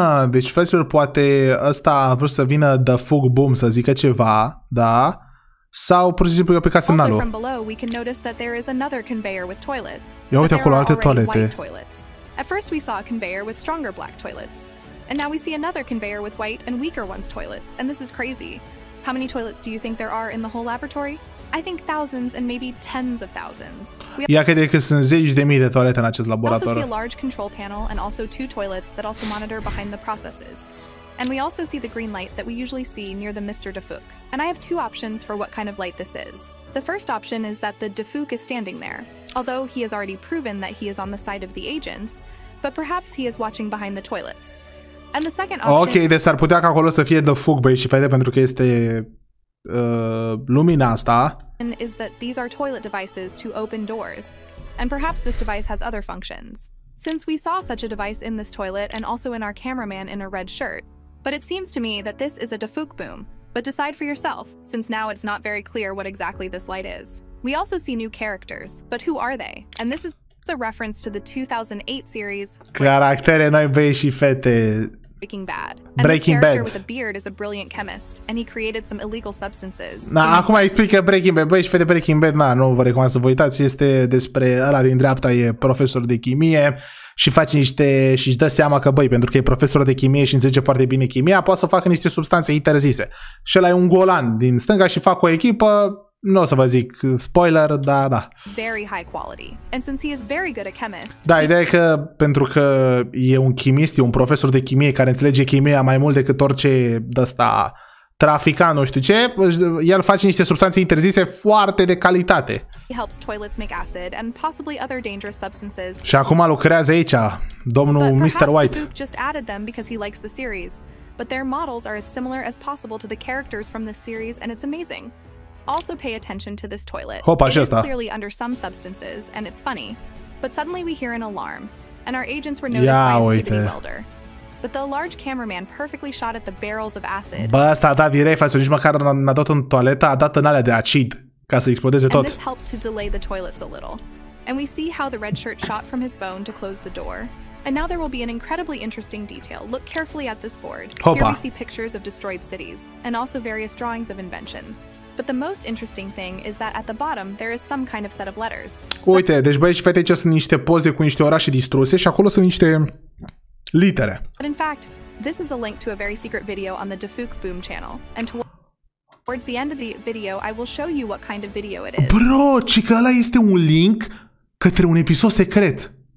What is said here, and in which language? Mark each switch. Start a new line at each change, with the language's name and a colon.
Romanian: Deci fraților, poate ăsta a vrut să vină Defook Boom să zică ceva, da? Sau pur și simplu i-a picat semnalul.
English: Also from below, we can notice that there is another conveyor with toilets.
Romanian: Ia uite acolo, alte toalete.
English: At first we saw a conveyor with stronger black toilets. And now we see another conveyor with white and weaker ones toilets, and this is crazy. How many toilets do you think there are in the whole laboratory? I think thousands and maybe tens of thousands.
Romanian: Ia crede că sunt zeci de mii de toalete în acest laborator.
English: We also see a large control panel and also two toilets that also monitor behind the processes. And we also see the green light that we usually see near the Mr. Defook. And I have two options for what kind of light this is. The first option is that the Defook is standing there, although he has already proven that he is on the side of the agents, but perhaps he is watching behind the toilets. And the second option...
Romanian: Ok, deci s-ar putea ca acolo să fie Defook, băi, și fede, pentru că este lumina asta.
English: ...is that these are toilet devices to open doors, and perhaps this device has other functions. Since we saw such a device in this toilet and also in our cameraman in a red shirt, but it seems to me that this is a Defook boom. But decide for yourself, since now it's not very clear what exactly this light is. We also see new characters, but who are they? And this is a reference to the 2008 series...
Romanian: Caractere noi, băi și fete!
English: Breaking Bad. And Breaking character Bad. With a beard is a brilliant chemist, and he created some illegal substances.
Romanian: Na, acum explică Breaking Bad. Băi și fete, Breaking Bad, na, nu vă recomand să vă uitați. Este despre ăla din dreapta, e profesor de chimie. Și face niște și își dă seama că băi, pentru că e profesor de chimie și înțelege foarte bine chimia, poate să facă niște substanțe interzise. Și ăla e un golan din stânga și fac o echipă, nu o să vă zic spoiler, dar da.
English: Very high quality. And since he is very good a chemist.
Romanian: Da, ideea e că pentru că e un chimist, e un profesor de chimie care înțelege chimia mai mult decât orice de ăsta traficant, nu știu ce, el face niște substanțe interzise foarte de calitate.
English: He helps toilets make acid and possibly other dangerous substances.
Romanian: Și acum lucrează aici, domnul Mr.
English: White. Defook just added them because he likes the series. But their models are as similar as possible to the characters from this series and it's amazing. Also pay attention to this toilet. Hopa, it is clearly under some substances and it's funny. But suddenly we hear an alarm and our agents were noticed by a Skibidi welder. But the large cameraman perfectly shot at the barrels of acid.
Romanian: Bă, asta a dat direct, fă-s-o, nici măcar n-a dat în toaletă, a dat în alea de acid, ca să explodeze tot.
English: And this helped to delay the toilets a little. And we see how the red shirt shot from his phone to close the door. And now there will be an incredibly interesting detail. Look carefully at this board. Hopa. Here we see pictures of destroyed cities, and also various drawings of inventions. But the most interesting thing is that at the bottom there is some kind of set of letters.
Romanian: Uite, deci băieți și fete, aici sunt niște poze cu niște orașe distruse și acolo sunt niște... litere.
English: But in fact, this is a link to a very secret video on the Defook Boom channel. And towards the end of the video, I will show you what kind of video it is.
Romanian: Bro, ci că ăla este un link către un episod secret.